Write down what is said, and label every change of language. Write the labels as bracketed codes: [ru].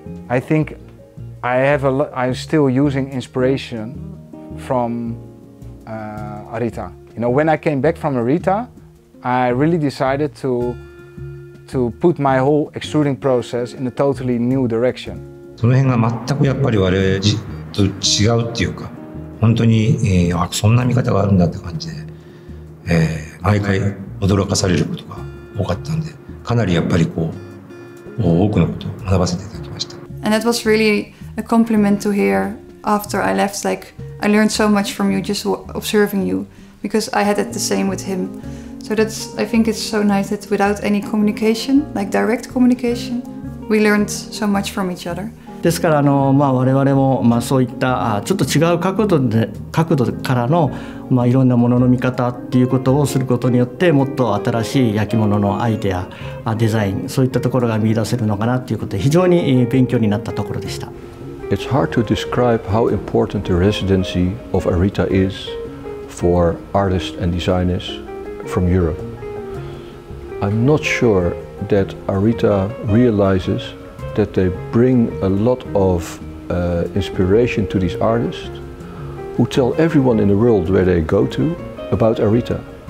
[en] I think I'm still using inspiration from Arita. You know, when I came back from Arita, I really decided to put my whole extruding process in a totally new direction. [ja] その辺が全くやっぱり我々と違うっていうか、本当に、あ、そんな見方があるんだって感じで、毎回驚かされることが多かったんで、かなりやっぱりこう、多くのことを学ばせていただきました。 [en] And that was really a compliment to hear after I left. Like, I learned so much from you just observing you, because I had it the same with him. So that's, I think it's so nice that without any communication, like direct communication, we learned so much from each other. [ja] ですから、まあ、我々も、まあ、そういったちょっと違う角度からの、まあ、いろんなものの見方っていうことをすることによって、もっと新しい焼き物のアイデア、デザイン、そういったところが見出せるのかなっていうことで、非常に勉強になったところでした。 [en] It's hard to describe how important the residency of Arita is for artists and designers from Europe. I'm not sure that Arita realizes that they bring a lot of inspiration to these artists who tell everyone in the world where they go to about Arita.